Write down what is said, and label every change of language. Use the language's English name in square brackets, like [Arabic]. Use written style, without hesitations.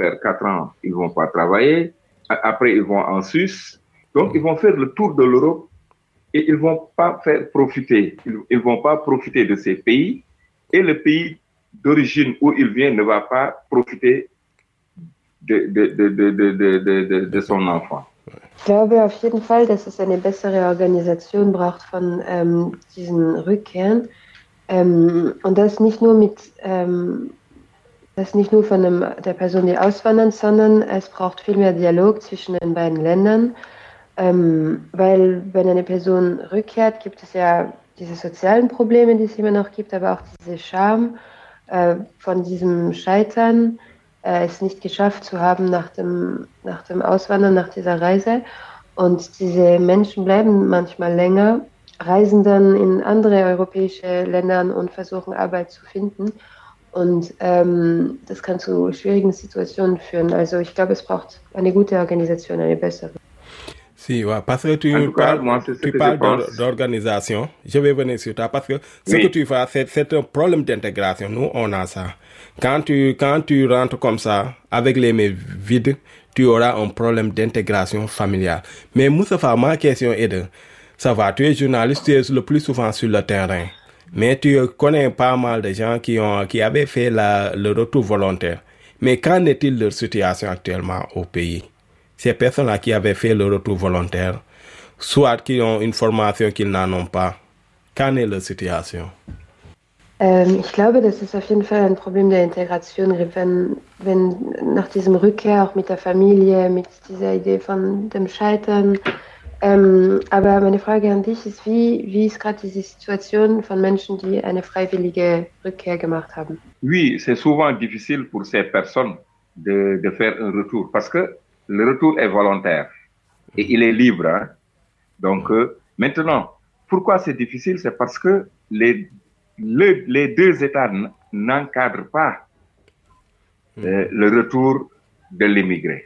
[French] faire 4 ans, ils ne vont pas travailler. Après, ils vont en Suisse. Donc, ils vont faire le tour de l'Europe et ils ne vont pas faire profiter. Ils ne vont pas profiter de ces pays. Et le pays d'origine où il vient ne va pas profiter de son enfant. [German] Ich glaube auf jeden Fall, dass es eine bessere Organisation braucht von diesen Rückkehren. Und das nicht nur mit, das nicht nur von der Person, die auswandert, sondern es braucht viel mehr Dialog zwischen den beiden Ländern. Weil wenn eine Person rückkehrt, gibt es ja diese sozialen Probleme, die es immer noch gibt, aber auch diese Scham von diesem Scheitern, es nicht geschafft zu haben nach dem Auswandern, nach dieser Reise. Und diese Menschen bleiben manchmal länger, reisen dann in andere europäische Länder und versuchen Arbeit zu finden. Und das kann zu schwierigen Situationen führen. Also ich glaube, es braucht eine gute Organisation, eine bessere. [French] Si, ouais, parce que tu parles d'organisation, je vais venir sur toi, parce que ce que tu fais, c'est un problème d'intégration, nous on a ça. Quand tu rentres comme ça, avec les mains vides, tu auras un problème d'intégration familiale. Mais Moustapha, ma question est de savoir, tu es journaliste, tu es le plus souvent sur le terrain, mais tu connais pas mal de gens qui avaient fait le retour volontaire. Mais qu'en est-il de leur situation actuellement au pays? Ces personnes-là qui avaient fait le retour volontaire, soit qui ont une formation qu'ils n'en ont pas, quelle est la situation? [German] Ich glaube, das ist auf jeden Fall ein Problem der Integration, wenn nach diesem Rückkehr auch mit der Familie, mit dieser Idee von dem Scheitern. Aber meine Frage an dich ist, wie ist gerade diese Situation von Menschen, die eine freiwillige Rückkehr gemacht haben? [French] Oui, c'est souvent difficile pour ces personnes de faire un retour, parce que le retour est volontaire et il est libre. Donc, maintenant, pourquoi c'est difficile? C'est parce que les deux États n'encadrent pas le retour de l'immigré.